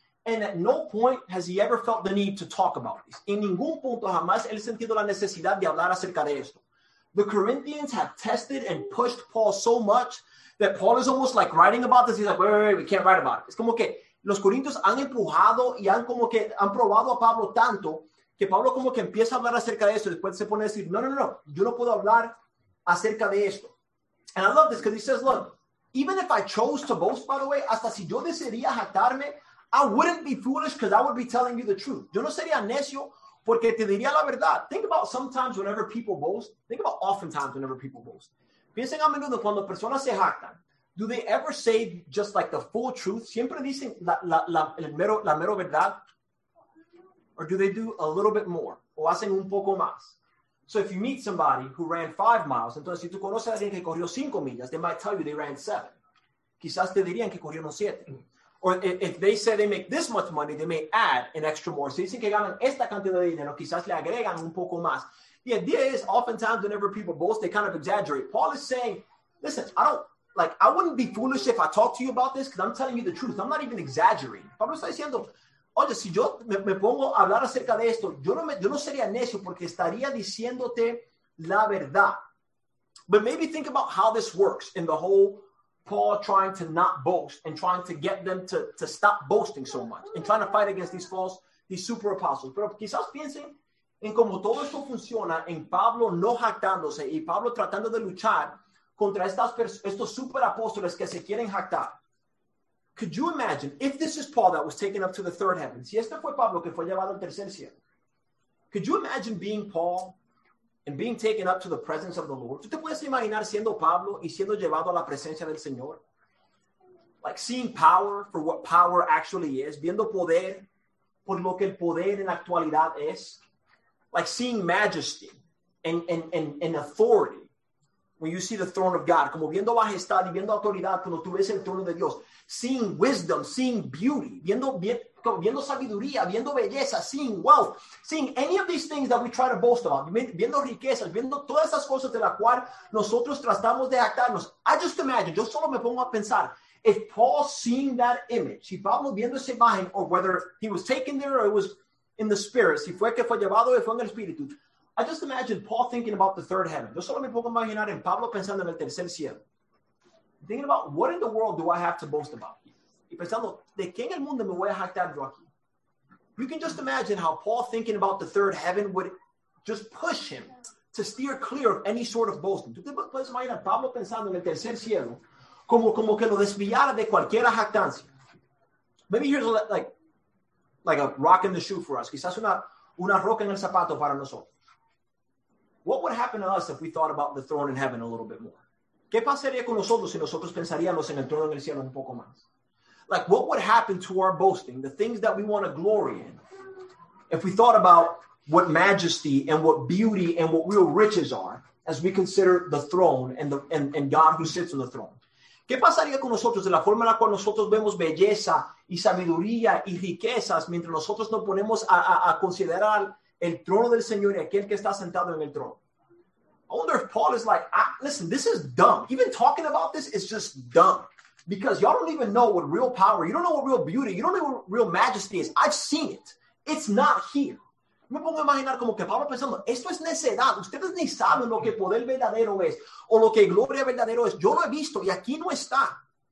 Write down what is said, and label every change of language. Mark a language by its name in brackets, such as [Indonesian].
[English] And at no point has he ever felt the need to talk about this. [Spanish] En ningún punto jamás él sentido la necesidad de hablar acerca de esto. [English] The Corinthians have tested and pushed Paul so much that Paul is almost like writing about this. He's like, wait, we can't write about it. [Spanish] Es como que los corintios han empujado y han como que han probado a Pablo tanto que Pablo como que empieza a hablar acerca de esto. Después se pone a decir, no, yo no puedo hablar acerca de esto. [English] And I love this because he says, look, even if I chose to boast, by the way, [Spanish] hasta si yo desearía jactarme, [English] I wouldn't be foolish because I would be telling you the truth. [Spanish] Yo no sería necio porque te diría la verdad. [English] Think about sometimes whenever people boast. Think about oftentimes whenever people boast. [Spanish] Piensen a menudo cuando personas se jactan. [English] Do they ever say just like the full truth? [Spanish] Siempre dicen la mero verdad. [English] Or do they do a little bit more? [Spanish] O hacen un poco más. [English] So if you meet somebody who ran 5 miles, [Spanish] entonces si tú conoces a alguien que corrió 5 millas, [English] they might tell you they ran 7. [Spanish] Quizás te dirían que corrieron 7. [English] Or if they say they make this much money, they may add an extra more. [Spanish] Si dicen que ganan esta cantidad de dinero, quizás le agregan un poco más. [English] The idea is oftentimes whenever people boast, they kind of exaggerate. Paul is saying, listen, I wouldn't be foolish if I talked to you about this because I'm telling you the truth. I'm not even exaggerating. [Spanish] Pablo está diciendo, oye, si yo me pongo a hablar acerca de esto, yo no sería necio porque estaría diciéndote la verdad. [English] But maybe think about how this works in the whole Paul trying to not boast and trying to get them to stop boasting so much and trying to fight against these super apostles. [Spanish] Pero quizás piensen en cómo todo esto funciona en Pablo no jactándose y Pablo tratando de luchar contra estos super apóstoles que se quieren jactar. [English] Could you imagine if this is Paul that was taken up to the third heaven? [Spanish] Si este fue Pablo que fue llevado al tercer cielo. [English] Could you imagine being Paul and being taken up to the presence of the Lord? [Spanish] ¿Tú te puedes imaginar siendo Pablo y siendo llevado a la presencia del Señor? [English] Like seeing power for what power actually is. [Spanish] Viendo poder por lo que el poder en la actualidad es. [English] Like seeing majesty and authority. When you see the throne of God. [Spanish] Como viendo majestad y viendo autoridad cuando tú ves el trono de Dios. [English] Seeing wisdom, seeing beauty. [Spanish] Viendo sabiduría, viendo belleza, [English] seeing wealth, seeing any of these things that we try to boast about, [Spanish] viendo riquezas, viendo todas esas cosas de las cuales nosotros tratamos de jactarnos. [English] I just imagine, [Spanish] yo solo me pongo a pensar, [English] if Paul seeing that image, [Spanish] si Pablo viendo esa imagen, [English] or whether he was taken there or it was in the spirit, [Spanish] si fue que fue llevado o fue en el espíritu, [English] I just imagine Paul thinking about the third heaven. [Spanish] Yo solo me pongo a imaginar en Pablo pensando en el tercer cielo. [English] Thinking about what in the world do I have to boast about? [Spanish] Y pensando, ¿de qué en el mundo me voy a jactar yo aquí? [English] You can just imagine how Paul thinking about the third heaven would just push him to steer clear of any sort of boasting. [Spanish] ¿Tú te puedes imaginar Pablo pensando en el tercer cielo como que lo desviara de cualquier jactancia? [English] Maybe here's like a rock in the shoe for us. [Spanish] Quizás una roca en el zapato para nosotros. [English] What would happen to us if we thought about the throne in heaven a little bit more? [Spanish] ¿Qué pasaría con nosotros si nosotros pensaríamos en el trono en el cielo un poco más? [English] Like, what would happen to our boasting, the things that we want to glory in, if we thought about what majesty and what beauty and what real riches are as we consider the throne and the and God who sits on the throne? [Spanish] ¿Qué pasaría con nosotros de la forma en la cual nosotros vemos belleza y sabiduría y riquezas mientras nosotros nos ponemos a considerar el trono del Señor y aquel que está sentado en el trono? [English] I wonder if Paul is like, listen, this is dumb. Even talking about this is just dumb. Because y'all don't even know what real power, you don't know what real beauty, you don't know what real majesty is. I've seen it. It's not here. [Spanish] Me pongo a imaginar como que Pablo pensando, esto es necedad. Ustedes ni saben lo que poder verdadero es o lo que gloria verdadero es. Yo lo he visto y aquí no está.